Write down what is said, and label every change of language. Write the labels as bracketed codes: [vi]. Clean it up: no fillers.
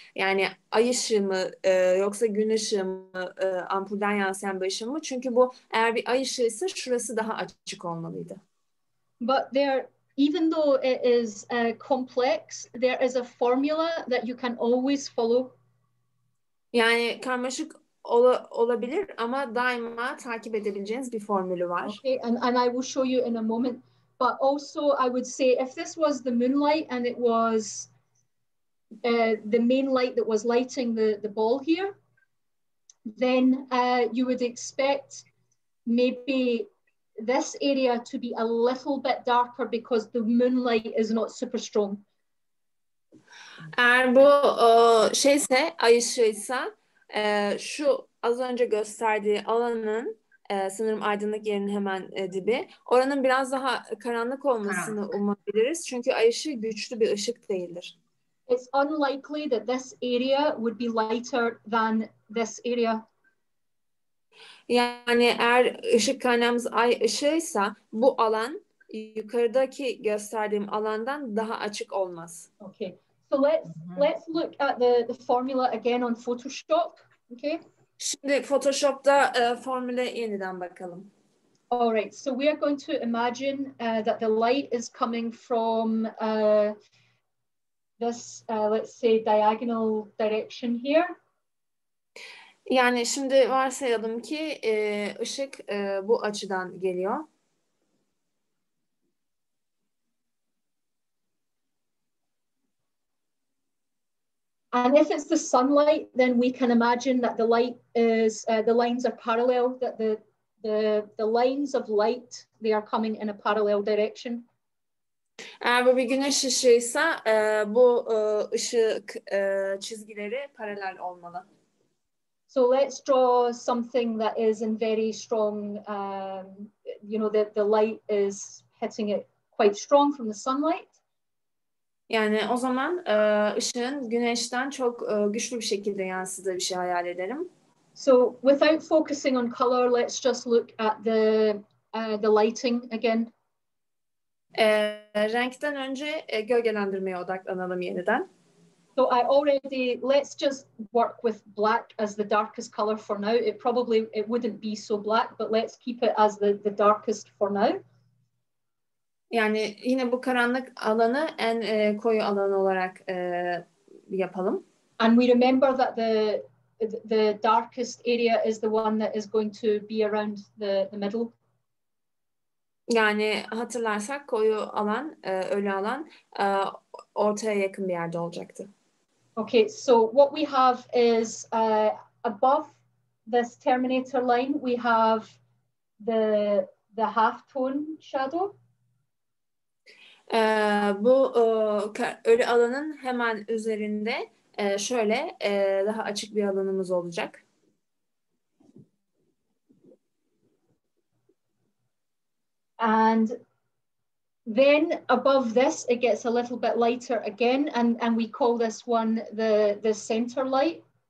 [tr] Yani ay ışığı mı yoksa gün ışığı mı, ampulden yansıyan bir ışığı mı? Çünkü bu eğer bir ay ışığıysa şurası daha açık olmalıydı. [en] But there... Even though it is complex, there is a formula that you can always follow. [tr] Yani karmaşık olabilir ama daima takip edebileceğiniz bir formülü var. [en] Okay, and I will show you in a moment. But also I would say if this was the moonlight and it was the main light that was lighting the ball here, then you would expect maybe... This area to be a little bit darker because the moonlight is not super strong. [tr] Eğer bu şeyse, ay ışığıysa, şu az önce gösterdiği alanın, sanırım aydınlık yerinin hemen dibi, oranın biraz daha karanlık olmasını umabiliriz. Çünkü ay ışığı güçlü bir ışık değildir. [en] It's unlikely that this area would be lighter than this area. [tr] Yani eğer ışık kaynağımız ay ışığıysa bu alan yukarıdaki gösterdiğim alandan daha açık olmaz. [en] Okay. So let's look at the formula again on Photoshop. Okay. [tr] Şimdi Photoshop'ta formüle yeniden bakalım. [en] All right. So we are going to imagine that the light is coming from this let's say diagonal direction here. [tr] Yani şimdi varsayalım ki ışık bu açıdan geliyor. [en] And if it's the sunlight, then we can imagine that the light is the lines are parallel, that the lines of light, they are coming in a parallel direction. [tr] Eğer bu bir güneş ışığıysa bu ışık çizgileri paralel olmalı. [en] So let's draw something that is in very strong, you know, that the light is hitting it quite strong from the sunlight. [tr] Yani o zaman ışığın güneşten çok güçlü bir şekilde yansıdığı bir şey hayal ederim. [en] So without focusing on color, let's just look at the lighting again. [tr] Renkten önce gölgelendirmeye odaklanalım yeniden. [en] So I already, let's just work with black as the darkest color for now. It probably wouldn't be so black, but let's keep it as the darkest for now. [tr] Yani yine bu karanlık alanı en koyu alan olarak yapalım. [en] And we remember that the darkest area is the one that is going to be around the middle. [tr] Yani hatırlarsak koyu alan, ölü alan ortaya yakın bir yerde olacaktı. [en] Okay, so what we have is above this terminator line, we have the half tone shadow. [tr] Bu ölü alanın hemen üzerinde şöyle daha açık bir alanımız olacak. [en] And then above this it gets a little bit lighter again and we call this one the center light.